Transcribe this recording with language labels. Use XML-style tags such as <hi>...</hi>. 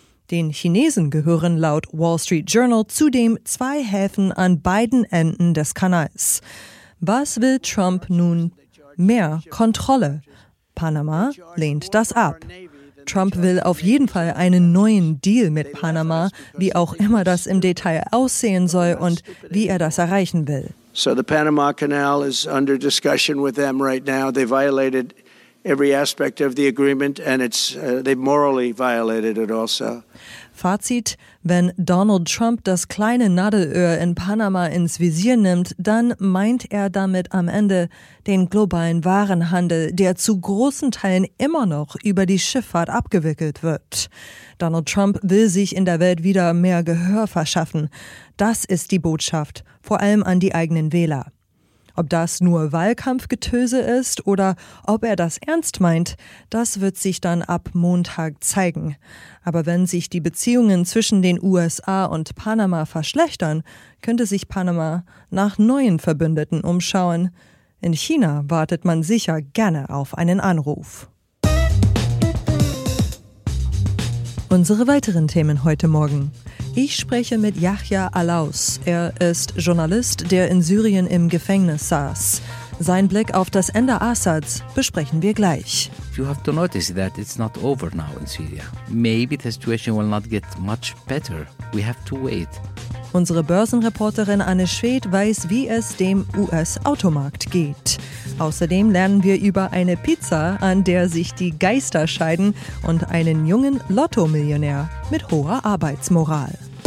<de>Den Chinesen gehören laut Wall Street Journal zudem 2 Häfen an beiden Enden des Kanals. Was will Trump nun? Mehr Kontrolle. Panama lehnt das ab. Trump will auf jeden Fall einen neuen Deal mit Panama, wie auch immer das im Detail aussehen soll und wie er das erreichen will.</de> <en>So the Panama Canal is under discussion with them right now. They violated every aspect of the agreement and it's they morally violated it also.</en> <de>Fazit, wenn Donald Trump das kleine Nadelöhr in Panama ins Visier nimmt, dann meint er damit am Ende den globalen Warenhandel, der zu großen Teilen immer noch über die Schifffahrt abgewickelt wird. Donald Trump will sich in der Welt wieder mehr Gehör verschaffen. Das ist die Botschaft, vor allem an die eigenen Wähler. Ob das nur Wahlkampfgetöse ist oder ob er das ernst meint, das wird sich dann ab Montag zeigen. Aber wenn sich die Beziehungen zwischen den USA und Panama verschlechtern, könnte sich Panama nach neuen Verbündeten umschauen. In China wartet man sicher gerne auf einen Anruf. Unsere weiteren Themen heute Morgen. Ich spreche mit Yahya Alaus. Er ist Journalist, der in Syrien im Gefängnis saß. Sein Blick auf das Ende Assads besprechen wir gleich.</de> <en>You have to notice that it's not over now in Syria. Maybe the situation will not get much better. We have to wait.</en> <de>Unsere Börsenreporterin Anne Schwedt weiß, wie es dem US-Automarkt geht. Außerdem lernen wir über eine Pizza, an der sich die Geister scheiden und einen jungen Lotto-Millionär mit hoher Arbeitsmoral.</de>